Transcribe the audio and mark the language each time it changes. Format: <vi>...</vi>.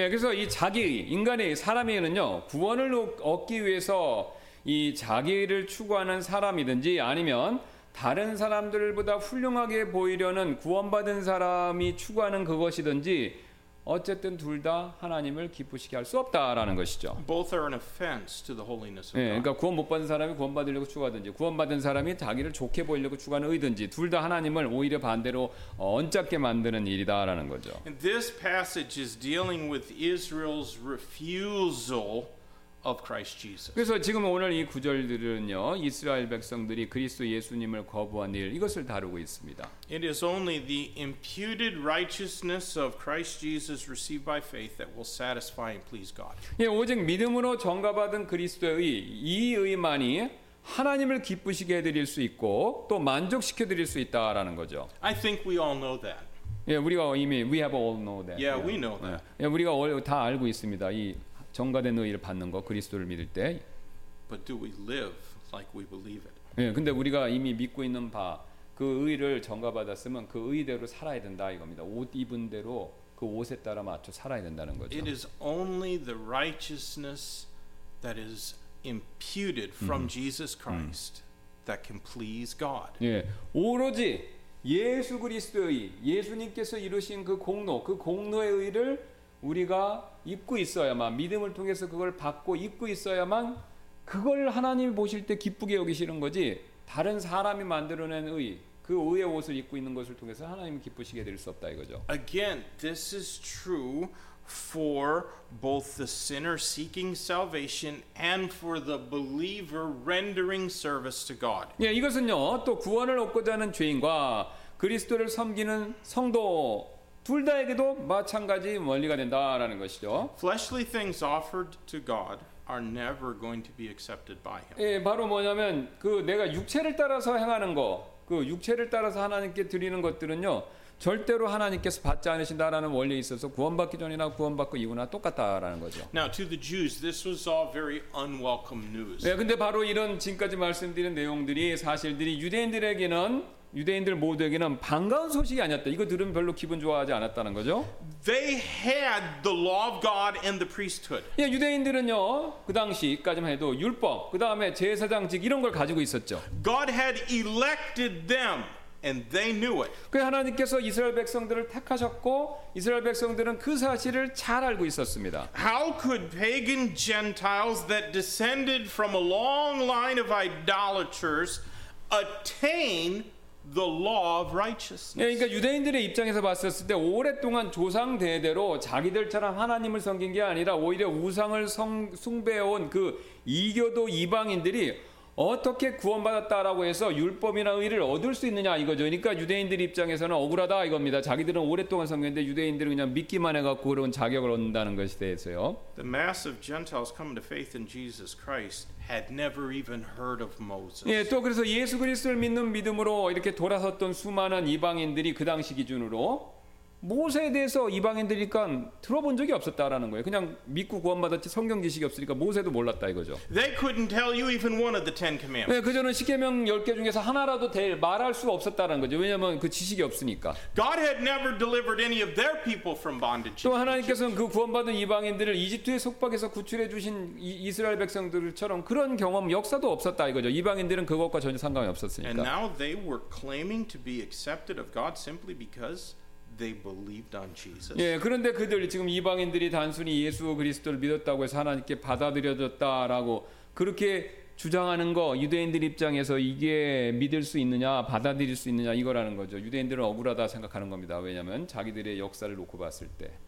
<ko>예, 그래서 이 자기 인간의 사람에게는요 구원을 얻기 위해서 이 자기를 추구하는 사람이든지 아니면 다른 사람들보다 훌륭하게 보이려는 구원받은 사람이 추구하는 그것이든지 어쨌든 둘 다 하나님을 기쁘시게 할 수 없다라는 것이죠.</ko> <en>Both are an offense to the holiness of God.</en> <ko>예, 그러니까 구원 못 받은 사람이 구원 받으려고 추구하든지 구원 받은 사람이 자기를 좋게 보이려고 추구하는 의든지 둘 다 하나님을 오히려 반대로 언짢게 만드는 일이다라는 거죠.</ko> <en>And this passage is dealing with Israel's refusal of Christ Jesus.</en> <ko>그래서 지금 오늘 이 구절들은요. 이스라엘 백성들이 그리스도 예수님을 거부한 일 이것을 다루고 있습니다.</ko> <en>It is only the imputed righteousness of Christ Jesus received by faith that will satisfy and please God.</en> <ko>예, 오직 믿음으로 전가받은 그리스도의 이 의만이 하나님을 기쁘시게 해 드릴 수 있고 또 만족시켜 드릴 수 있다라는 거죠.</ko> <en>I think we all know that.</en> <ko>예, 우리가 이미</ko> <en>we have all know that. Yeah, we know that.</en> <ko>예, 우리가 다 알고 있습니다. 이 정가된 의를 받는 것, 그리스도를 믿을 때.</ko> <en>But do we live like we believe it?</en> <ko>예, 근데 우리가 이미 믿고 있는 바 그 의를 정가받았으면 그 의대로 살아야 된다 이겁니다. 옷 입은 대로 그 옷에 따라 맞춰 살아야 된다는 거죠.</ko> <en>It is only the righteousness that is imputed from Jesus Christ that can please God.</en> <ko>예, 오로지 예수 그리스도의 의, 예수님께서 이루신 그 공로, 그 공로의 의를 우리가 입고 있어야만 믿음을 통해서 그걸 받고 입고 있어야만 그걸 하나님이 보실 때 기쁘게 여기시는 거지 다른 사람이 만들어낸 의 그 의의 옷을 입고 있는 것을 통해서 하나님이 기쁘시게 될 수 없다 이거죠.</ko> <en>Again, this is true for both the sinner seeking salvation and for the believer rendering service to God.</en> <ko>예, 이것은요 또 구원을 얻고자 하는 죄인과 그리스도를 섬기는 성도 둘 다에게도 마찬가지 원리가 된다라는 것이죠.</ko> <en>Fleshly things offered to God are never going to be accepted by Him.</en> <ko>예, 바로 뭐냐면 그 내가 육체를 따라서 행하는 거, 그 육체를 따라서 하나님께 드리는 것들은요, 절대로 하나님께서 받지 않으신다라는 원리에 있어서 구원받기 전이나 구원받고 이후나 똑같다라는 거죠.</ko> <en>Now to the Jews, this was all very unwelcome news.</en> <ko>예, 근데 바로 이런 지금까지 말씀드린 내용들이 사실들이 유대인들에게는 유대인들 모두에게는 반가운 소식이 아니었다. 이거 들으면 별로 기분 좋아하지 않았다는 거죠.</ko> <en>They had the law of God and the priesthood.</en> <ko>예, 유대인들은요. 그 당시까지만 해도 율법, 그다음에 제사장직 이런 걸 가지고 있었죠.</ko> <en>God had elected them and they knew it.</en> <ko>그 하나님께서 이스라엘 백성들을 택하셨고 이스라엘 백성들은 그 사실을 잘 알고 있었습니다.</ko> <en>How could pagan Gentiles that descended from a long line of idolaters attain the law of righteousness.</en> <ko>예, 그러니까 유대인들의 입장에서 봤었을 때 오랫동안 조상 대대로 자기들처럼 하나님을 섬긴 게 아니라 오히려 우상을 숭배해 온 그 이교도 이방인들이 어떻게 구원받았다라고 해서 율법이나 의를 얻을 수 있느냐 이거죠. 그러니까 유대인들 입장에서는 억울하다 이겁니다. 자기들은 오랫동안 섬겼는데 유대인들은 그냥 믿기만 해갖고 그런 자격을 얻는다는 것에 대해서요.</ko> <en>The mass of Gentiles coming to faith in Jesus Christ had never even heard of Moses.</en> <ko>예, 또 그래서 예수 그리스도를 믿는 믿음으로 이렇게 돌아섰던 수많은 이방인들이 그 당시 기준으로 모세에 대해서 이방인들이니까 들어본 적이 없었다라는 거예요. 그냥 믿고 구원받았지 성경 지식이 없으니까 모세도 몰랐다 이거죠.</ko> <en>They couldn't tell you even one of the Ten Commandments.</en> <ko>네, 그저는 십계명 10개 중에서 하나라도 말할 수 없었다라는 거죠. 왜냐하면 그 지식이 없으니까.</ko> <en>God had never delivered any of their people from bondage.</en> <ko>또 하나님께서는 그 구원받은 이방인들을 이집트의 속박에서 구출해 주신 이스라엘 백성들처럼 그런 경험 역사도 없었다 이거죠. 이방인들은 그것과 전혀 상관이 없었으니까.</ko> <en>And now they were claiming to be accepted of God simply because they believed on Jesus.</en> <ko>예, 그런데 그들 지금 이방인들이 단순히 예수 그리스도를 믿었다고 해서 하나님께 받아들여졌다라고 그렇게 주장하는 거 유대인들 입장에서 이게 믿을 수 있느냐 받아들일 수 있느냐 이거라는 거죠. 유대인들은 억울하다 생각하는 겁니다. 왜냐하면 자기들의 역사를 놓고 봤을 때.</ko>